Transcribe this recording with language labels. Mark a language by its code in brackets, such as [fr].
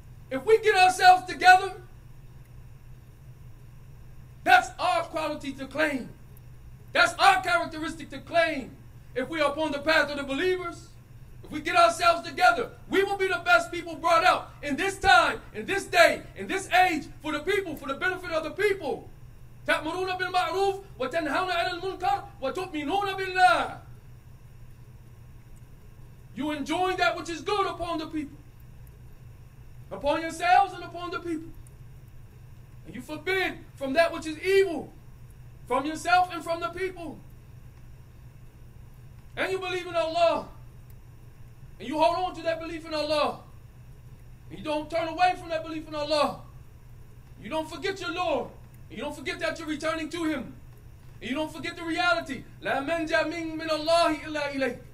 [en] If we get ourselves together, that's our quality to claim. That's our characteristic to claim. If we are upon the path of the believers, if we get ourselves together, we will be the best people brought out in this time, in this day, in this age, for the people, for the benefit of the people. [ar] تأمرون بالمعروف وتنهون عن المنكر وتؤمنون بالله. [en] You enjoy that which is good upon the people, upon yourselves and upon the people. And you forbid from that which is evil, from yourself and from the people. And you believe in Allah. And you hold on to that belief in Allah. And you don't turn away from that belief in Allah. You don't forget your Lord. And you don't forget that you're returning to Him. And you don't forget the reality. [ar] لا من جا من من الله إلا إليك.